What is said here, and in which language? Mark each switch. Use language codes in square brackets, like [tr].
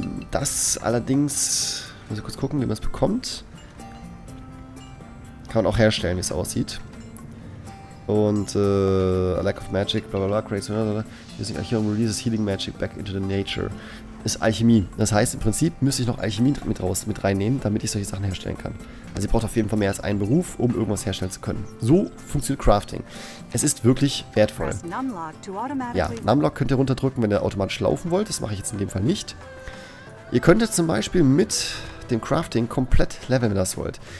[de] Das allerdings, muss ich kurz gucken, wie man es bekommt. Kann man auch herstellen, wie es aussieht. Und A Lack of Magic, bla bla bla, Crazy, bla bla. [en] Using Archaeum releases Healing Magic back into the nature. [de] Ist Alchemie. Das heißt, im Prinzip müsste ich noch Alchemie mit reinnehmen, damit ich solche Sachen herstellen kann. Also ihr braucht auf jeden Fall mehr als einen Beruf, um irgendwas herstellen zu können. So funktioniert Crafting. Es ist wirklich wertvoll. Ja, Numlock könnt ihr runterdrücken, wenn ihr automatisch laufen wollt. Das mache ich jetzt in dem Fall nicht. Ihr könntet zum Beispiel mit dem Crafting komplett leveln, wenn ihr das wollt.